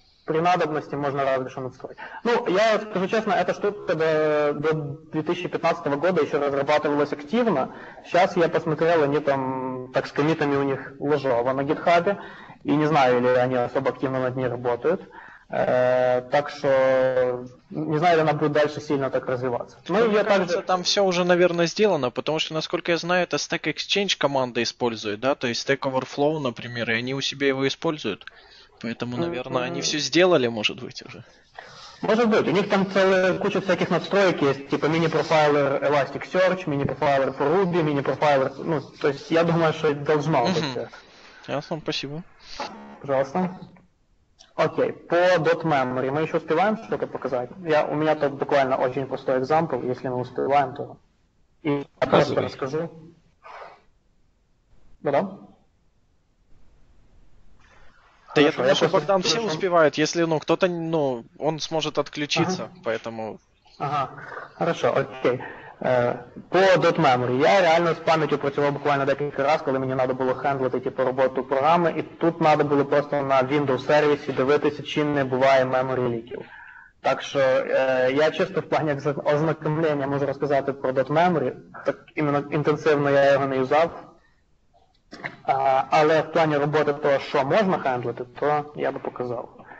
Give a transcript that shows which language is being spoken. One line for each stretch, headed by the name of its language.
Russian: При надобности можно разве что настроить. Ну, я скажу честно, эта штука до 2015 года еще разрабатывалась активно. Сейчас я посмотрел, они там так с коммитами у них лежало на гитхабе. И не знаю, или они особо активно над ней работают. Так что не знаю, она будет дальше сильно так развиваться. Ну, мне кажется, также... там все уже, наверное, сделано, потому что, насколько я знаю, это Stack Exchange команда использует, да, то есть Stack Overflow, например, и они у себя его используют. Поэтому, наверное, mm-hmm. они все сделали, может быть, уже. Может быть. У них там целая куча всяких настроек есть, типа мини-профайлер Elasticsearch, мини-профайлер for Ruby, мини-профайлер... Ну, то есть я думаю, что это должно быть. Mm-hmm. Ясно, спасибо. Пожалуйста. Окей, по .memory мы еще успеваем что-то показать? У меня тут буквально очень простой экзампл, если мы успеваем, то... И я просто расскажу. Да-да. Да хорошо, я думаю, что Богдан все успевает, если, ну, кто-то, ну, он сможет отключиться, ага. Поэтому... Ага, хорошо, окей. По .memory.
Ukrainian: Я реально с памятью працював буквально декілька разів, коли мені треба було хендлити, типу, роботу програми, і тут треба було просто на Windows-сервісі дивитися, чи не буває memory leak'ів. Так що я чисто в плані ознакомлення можу розказати про .memory, так іменно інтенсивно я його не юзав, але в плані роботи того, що можна хендлити, то я би показав.